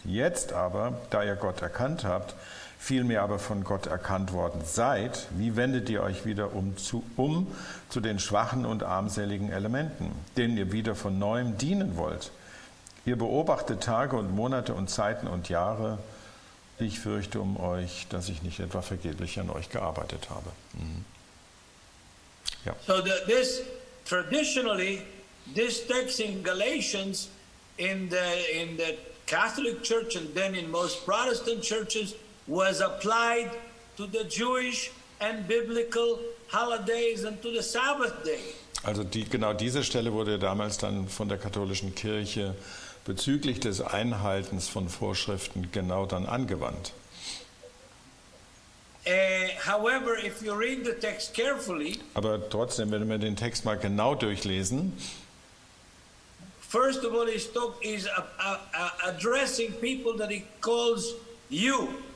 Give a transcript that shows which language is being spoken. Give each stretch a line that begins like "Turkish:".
German: Jetzt aber, da ihr Gott erkannt habt, vielmehr aber von Gott erkannt worden seid, wie wendet ihr euch wieder um zu den schwachen und armseligen Elementen, denen ihr wieder von Neuem dienen wollt? Ihr beobachtet Tage und Monate und Zeiten und Jahre. Ich fürchte um euch, dass ich nicht etwa vergeblich an euch gearbeitet habe. Mhm. Ja.
English: So this traditionally, this text in Galatians, in the Catholic Church and then in most Protestant churches, was applied to the Jewish and biblical holidays and to the Sabbath day.
German: Also genau diese Stelle wurde damals dann von der katholischen Kirche bezüglich des Einhaltens von Vorschriften genau dann angewandt.
English: However, if you read the text carefully.
German: Aber trotzdem, wenn wir den Text mal genau durchlesen.
English: First of all, he's addressing people that he calls you.